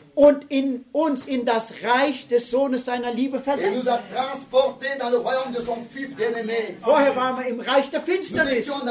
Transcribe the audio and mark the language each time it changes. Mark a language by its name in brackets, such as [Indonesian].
[German] Und in uns in das Reich des Sohnes seiner Liebe versetzt. [French] Il nous a transporté dans le royaume de son fils bien-aimé. [German] Vorher waren wir im Reich der Finsternis.